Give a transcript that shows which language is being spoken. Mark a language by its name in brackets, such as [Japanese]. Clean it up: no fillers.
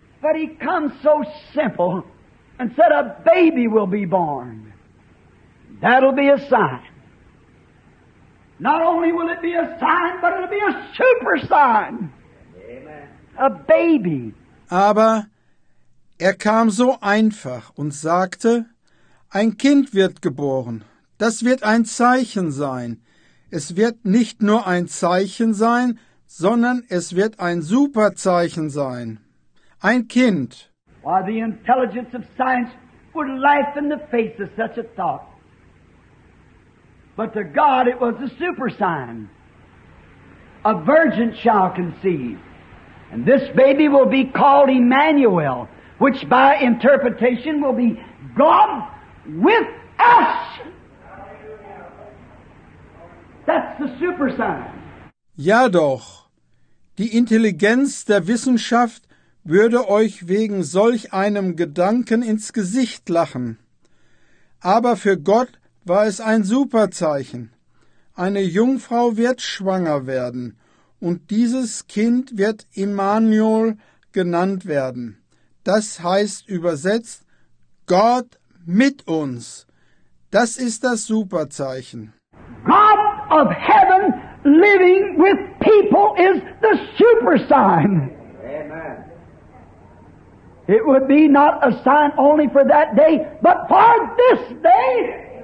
[English] But he comes so simple and said a baby will be born. That'll be a sign. Not only will it be a sign, but it'll be a super sign. A baby. [German] Aber er kam so einfach und sagte, ein Kind wird geboren. Das wird ein Zeichen sein. Es wird nicht nur ein Zeichen sein, sondern es wird ein Superzeichen sein. Ein Kind. [English] Why the intelligence of science would laugh in the face of such a thought. But to God it was a super sign. A virgin shall conceive. And this baby will be called Immanuel, which by interpretation will be God with us. That's the super sign. [German] Ja doch, die Intelligenz der Wissenschaft würde euch wegen solch einem Gedanken ins Gesicht lachen. Aber für Gott war es ein Superzeichen. Eine Jungfrau wird schwanger werden. Und dieses Kind wird Immanuel genannt werden. Das heißt übersetzt, Gott mit uns. Das ist das Superzeichen. [English] God of heaven living with people is the super sign. Amen. It would be not a sign only for that day, but for this day.